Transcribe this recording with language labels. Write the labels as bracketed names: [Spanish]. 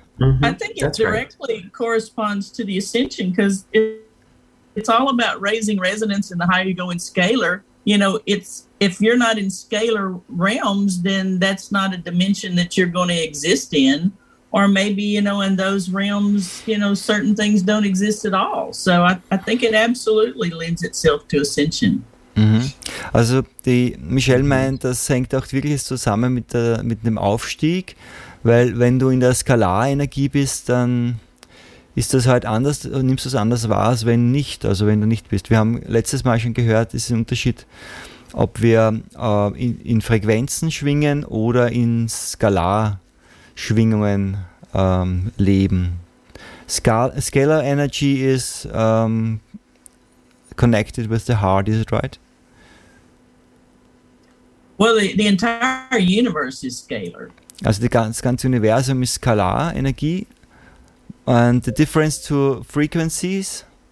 [English] Mm-hmm. I think it corresponds to the ascension, because it's all about raising resonance and the higher you go in scalar. You know, if you're not in scalar realms, then that's not a dimension that you're going to exist in. Or maybe, you know, in those realms, you know, certain things don't exist at all. So I think it absolutely lends itself to ascension. Mhm. [German] Also die Michelle meint, das hängt auch wirklich zusammen mit dem Aufstieg. Weil wenn du in der Skalarenergie bist, dann ist das halt anders, nimmst du es anders wahr, als wenn nicht, also wenn du nicht bist. Wir haben letztes Mal schon gehört, es ist ein Unterschied, ob wir in Frequenzen schwingen oder in Skalarschwingungen leben. [English] Scalar energy is connected with the heart, is it right? Well, the entire universe is scalar. [German] Also das ganze Universum ist Skalarenergie. [English] And the difference to frequencies?